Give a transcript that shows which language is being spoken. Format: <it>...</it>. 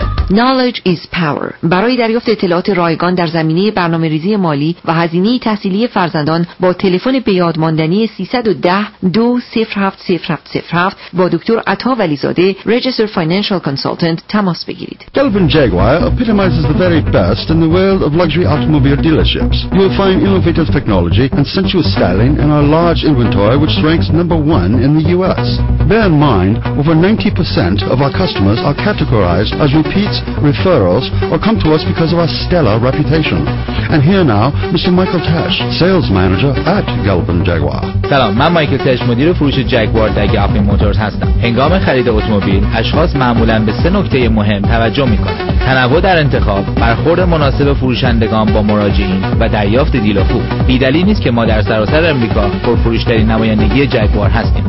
<en>Knowledge is power.</en> <fa>برای دریافت اطلاعات رایگان در زمینه برنامه‌ریزی مالی و هزینه تحصیلی فرزندان با تلفن به یاد ماندنی 310-2070-0707 با دکتر عطا ولیزاده</fa> <en>Registered Financial Consultant</en> <fa>تماس بگیرید.</fa> <en>Kelvin Jaguar epitomizes the very best in the world of luxury automobile dealerships. You will find innovative technology and sensuous styling in our large inventory which ranks number 1 in the US. Bear in mind over 90% of our customers are categorized as repeats referrals, or come to us because of our stellar reputation. And here now, Mr. Michael Tesh, sales manager at Galpin Jaguar.</en> <fa>سلام، من مایکل تش، مدیر فروش جگوار در گالپین موتورز هستم. هنگام خرید اتومبیل، اشخاص معمولاً به سه نکته مهم توجه می‌کنند: تنوع در انتخاب، برخورد مناسب فروشندگان با مراجعین و دریافت دیل خوب. بی‌دلیل نیست که ما در سراسر آمریکا پرفروش‌ترین نمایندگی جگوار هستیم.</fa>